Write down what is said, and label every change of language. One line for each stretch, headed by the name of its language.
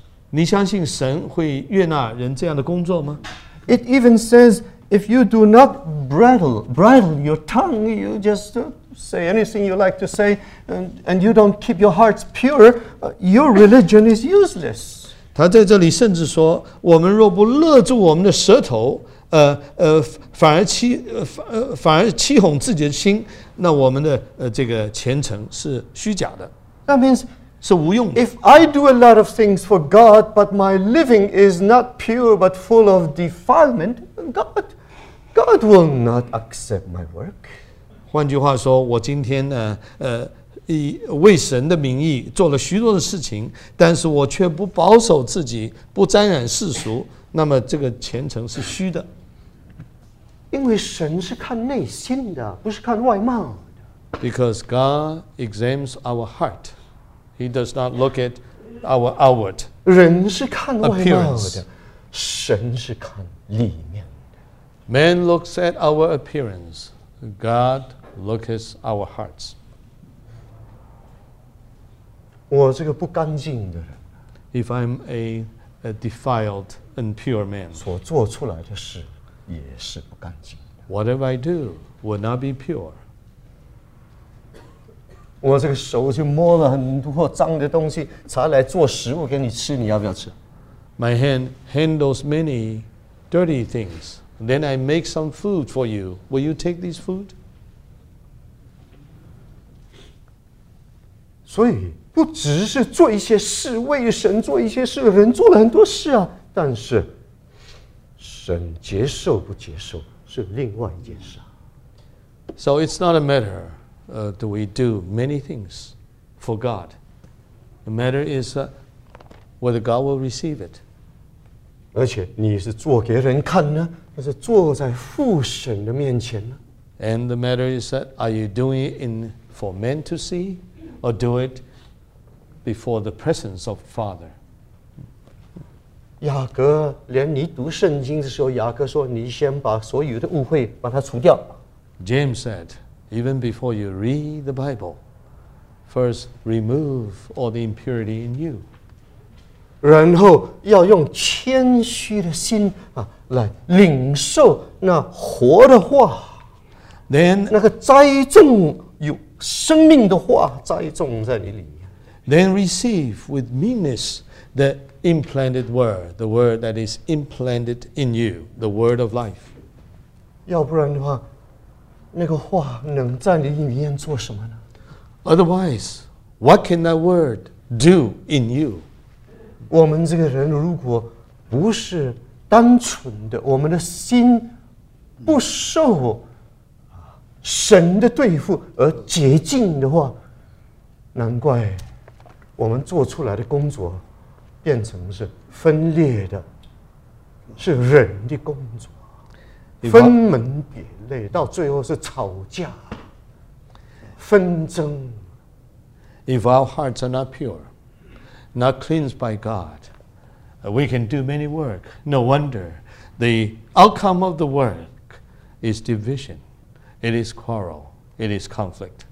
Chinese: 你相信神会悦纳人这样的工作吗？
English: It even says, if you do not bridle your tongue, you just say anything you like to say, and you don't keep your hearts pure, your religion is useless.
Chinese: 他在这里甚至说，我们若不勒住我们的舌头，反而欺哄自己的心，那我们的这个虔诚是虚假的。
English: That means
Chinese: 是无用的。
English: If I do a lot of things for God, but my living is not pure but full of defilement, God will not accept my work.
Chinese: 换句话说，我今天呢，以为神的名义做了许多的事情，但是我却不保守自己，不沾染世俗，那么这个虔诚是虚的。因为神是看内心的，不是看外貌的。
English: Because God examines our heart, He does not look at our outward appearance.
Chinese: 人是看外貌的，神是看里面的。
English: Man looks at our appearance, God looks at our hearts.
Chinese: 我这个不干净的人
English: ，If I'm a defiled, impure man，
Chinese: 所做出来的事也是不干净的。
English: Whatever I do will not be pure。
Chinese: 我这个手就摸了很多脏的东西，才来做食物给你吃，你要不要吃
English: ？My hand handles many dirty things. Then I make some food for you. Will you take this food？
Chinese: 所以。不只是做一些事，为神做一些事，人做了很多事啊。但是，神接受不接受是另外一件事啊。
English: So it's not a matter, do we do many things for God? The matter is, whether God will receive it.
Chinese: 而且你是做给人看呢，还是做在父神的面前呢
English: ？And the matter is that, are you doing it in for men to see, or do it? Before the presence of Father.
Chinese: 雅各连你读圣经的时候，雅各说：“你先把所有的误会把它除掉。”
English: James said, "Even before you read the Bible, first remove all the impurity in you."
Chinese: 然后要用谦虚的心啊，来领受那活的话。
English: Then
Chinese: 那个栽种有生命的话，栽种在你里面。
English: Then receive with meekness the implanted word, the word that is implanted in you, the word of life.
Chinese: 要不然的话，那个话能在你里面做什么呢？
English: Otherwise, what can that word do in you?
Chinese: 我们这个人如果不是单纯的，我们的心不受神的对付而洁净的话，难怪。我们做出来的工作变成是分裂的，是人的工作，分门别类，到最后是吵架、纷争。
English: If our hearts are not pure, not cleansed by God, we can do many work. No wonder the outcome of the work is division, it is quarrel, it is conflict.